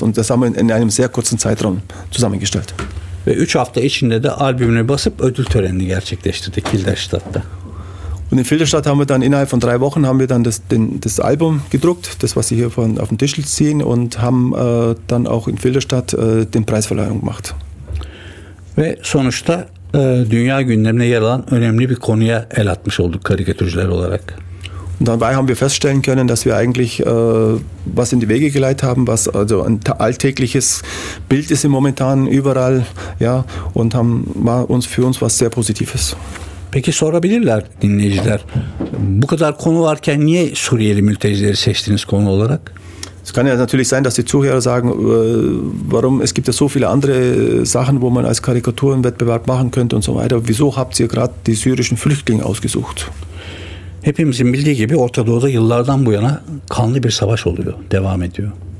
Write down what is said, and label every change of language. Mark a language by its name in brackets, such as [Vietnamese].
[German] Und das haben wir in einem sehr kurzen Zeitraum zusammengestellt. [Turkish] Ve 3 hafta içinde de albümünü basıp ödül törenini gerçekleştirdik Hildesheim'de. [German] Und in Filderstadt haben wir dann innerhalb von 3 Wochen haben wir dann das Album gedruckt, das was Sie hier auf dem Tisch sehen und haben dann auch in Filderstadt den Preisverleihung gemacht. [Turkish] Ve sonuçta dünya gündemine yer alan önemli bir konuya el atmış olduk karikatürcüler olarak. [German] Und dabei haben wir feststellen können, dass wir eigentlich was in die Wege geleitet haben, was also ein alltägliches Bild ist im momentan überall, ja, und war uns für uns was sehr Positives. [Turkish] Peki sorabilirler dinleyiciler. Bu kadar konu varken niye Suriyeli mültecileri seçtiniz konu olarak? [German] Es kann ja natürlich sein, dass die Zuhörer sagen, warum, es gibt ja so viele andere Sachen, wo man als Karikaturenwettbewerb machen könnte und so weiter. Wieso habt ihr gerade die syrischen Flüchtlinge ausgesucht? [Turkish] Hepimizin bildiği gibi Orta Doğu'da yıllardan bu yana kanlı bir savaş oluyor, devam ediyor.